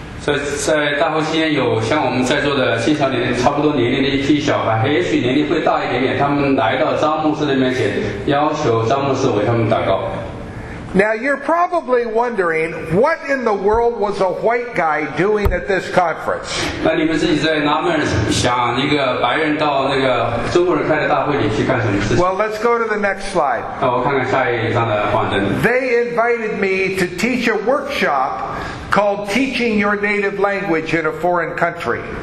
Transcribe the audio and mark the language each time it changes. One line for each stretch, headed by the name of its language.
Chinese: 在大后期间有像我们在座的青少年差不多年龄的一批小孩，也许年龄会大一点点，他们来到张牧师的面前，要求张牧师为他们祷告。
English: Now you're probably wondering, what in the world was a white guy doing at this conference?
Chinese: 那你们自己在纳闷，想一个白人到那个中国人开的大会里去干什么事情？
English: Well, let's go to the next slide.
Chinese: 那我看看下一张的幻灯。
English: They invited me to teach a workshop called Teaching Your Native Language in a Foreign Country.